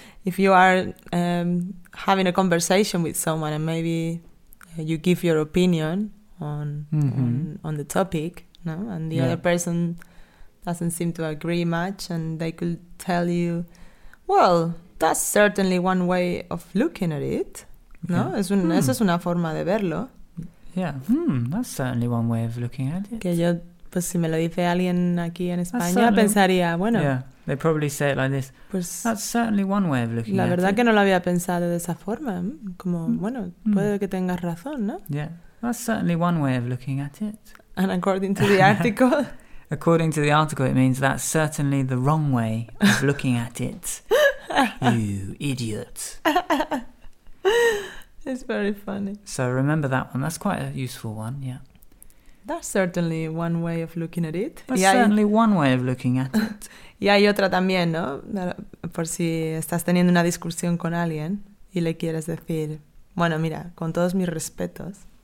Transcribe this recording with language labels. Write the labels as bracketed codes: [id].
[en] If you are having a conversation with someone and maybe you give your opinion on the topic, no, and the other person doesn't seem to agree much, and they could tell you, "well, that's certainly one way of looking at it," no? [es] Eso es una forma de verlo. [en] Yeah, that's certainly one way of looking at it. [es] Que yo, pues si me lo dice alguien aquí en España, pensaría, bueno. [en] Yeah, they probably say it like this. Pues, that's certainly one way of looking at it. [es] La verdad que no lo había pensado de esa forma. Como, bueno, puede que tengas razón, ¿no? [en] Yeah, that's certainly one way of looking at it. And according to the article. According to the article, it means that's certainly the wrong way of looking at it. You idiot. It's very funny. So remember that one. That's quite a useful one, yeah. That's certainly one way of looking at it. One way of looking at it. [es] Y hay otra también, ¿no? Por si estás teniendo una discusión con alguien y le quieres decir, bueno, mira, con todos mis respetos.